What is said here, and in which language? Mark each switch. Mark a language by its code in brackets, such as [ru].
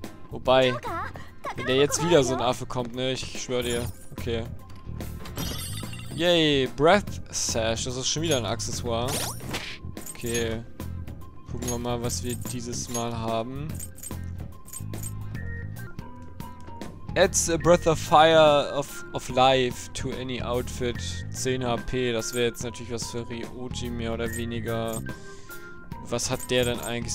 [de] Wobei, wenn der jetzt wieder so ein Affe kommt, ne? Ich schwöre dir. Okay. Yay, Breath Sash. Das ist schon wieder ein Accessoire. Okay. Gucken wir mal, was wir dieses Mal haben. [en] Adds a Breath of Fire of Life to any outfit. 10 HP. [de] Das wäre jetzt natürlich was für Ryoji mehr oder weniger. Was hat der denn eigentlich?